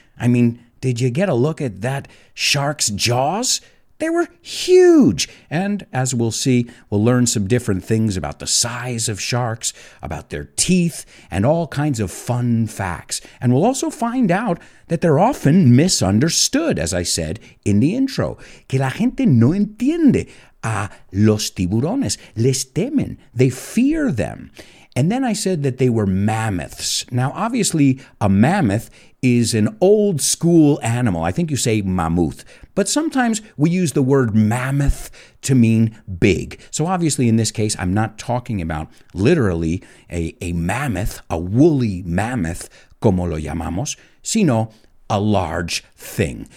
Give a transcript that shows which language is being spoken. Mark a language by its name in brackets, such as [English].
[English] I mean, did you get a look at that shark's jaws? They were huge. And as we'll see, we'll learn some different things about the size of sharks, about their teeth, and all kinds of fun facts. And we'll also find out that they're often misunderstood, as I said in the intro. [Spanish] Que la gente no entiende a los tiburones. Les temen. [English] They fear them. And then I said that they were mammoths. Now, obviously, a mammoth is an old school animal. I think you say mammoth. But sometimes we use the word mammoth to mean big. So obviously, in this case, I'm not talking about literally a mammoth, a woolly mammoth, [Spanish] como lo llamamos, sino [English] a large thing.